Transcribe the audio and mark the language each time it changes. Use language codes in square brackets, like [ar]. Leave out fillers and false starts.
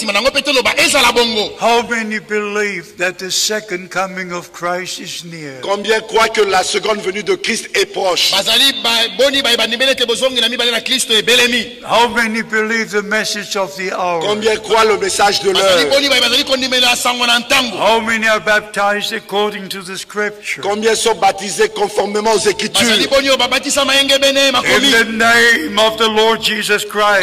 [en] How many believe that the second coming of Christ is near? [fr] Combien croient que la seconde venue de Christ est proche? [en] How many believe the message of the hour? [fr] Combien croient le message de l'heure? [en] How many are baptized according to the [fr] combien sont baptisés conformément aux Écritures? [en] In the name of the Lord Jesus Christ.